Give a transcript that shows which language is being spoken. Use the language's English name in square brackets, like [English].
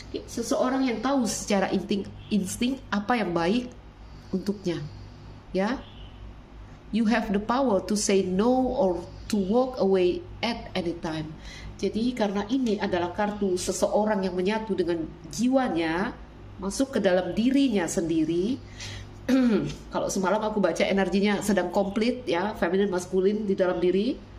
[Indonesian] Seseorang yang tahu secara insting apa yang baik untuknya, ya. [English] You have the power to say no or to walk away at any time. [Indonesian] Jadi karena ini adalah kartu seseorang yang menyatu dengan jiwanya, masuk ke dalam dirinya sendiri. Kalau semalam aku baca energinya sedang komplit ya, feminine maskulin di dalam diri.